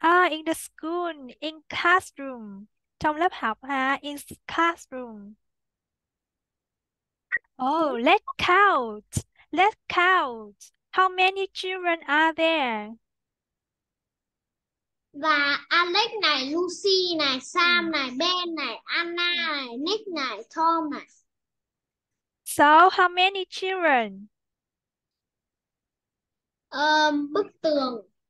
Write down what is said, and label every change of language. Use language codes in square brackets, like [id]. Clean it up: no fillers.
[en] In the school, in classroom. [vi] Trong lớp học ha, [en] in classroom. Let's count. Let's count. How many children are there? [vi] Alex này, Lucy này, Sam này, Ben này, Anna này, Nick này, Tom này. [en] So, how many children? [vi] Bức tường.